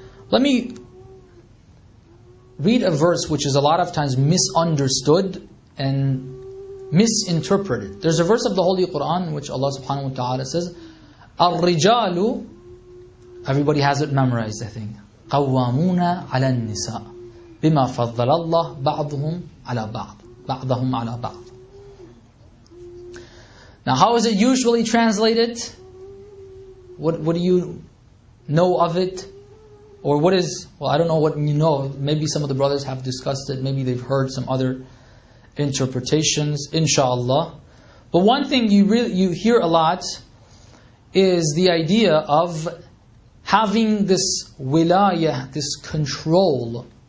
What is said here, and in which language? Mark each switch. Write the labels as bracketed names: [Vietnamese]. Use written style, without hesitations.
[English] Let me read a verse which is a lot of times misunderstood and misinterpreted. There's a verse of the Holy Quran which Allah subhanahu wa ta'ala says, الرجال, everybody has it memorized, I think. [Arabic] قوامون على النساء بما فضل الله بعضهم على بعض بعضهم على بعض. [English] Now, how is it usually translated? What do you know of it? Or what is, well, I don't know what you know. Maybe some of the brothers have discussed it. Maybe they've heard some other interpretations, inshallah. But one thing you hear a lot is the idea of having this wilayah, this control.